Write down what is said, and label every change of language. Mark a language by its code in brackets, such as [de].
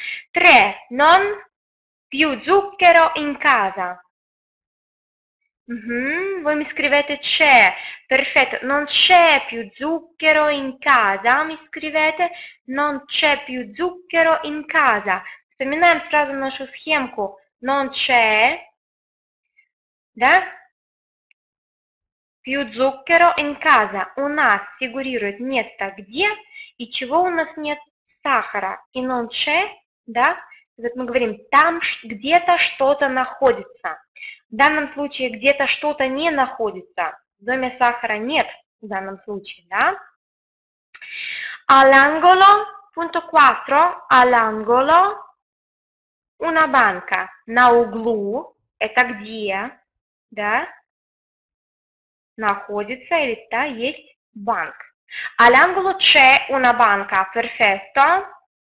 [it] Tre, non più zucchero in casa. Voi mi scrivete c'è, perfetto, non c'è più zucchero in casa, mi scrivete non c'è più zucchero in casa. [ru] Вспоминаем сразу нашу схемку, [it] non c'è, [ru] да? [it] Più zucchero in casa. [ru] У нас фигурирует место где и чего у нас нет сахара. И [it] non c'è, [ru] да? Вот мы говорим, там где-то что-то находится. В данном случае где-то что-то не находится. В доме сахара нет в данном случае, да? [it] All'angolo, punto 4, all'angolo, [ru] Una банка на углу, это где, да, находится или та есть банк. [it] All'angolo c'è una banca, perfetto.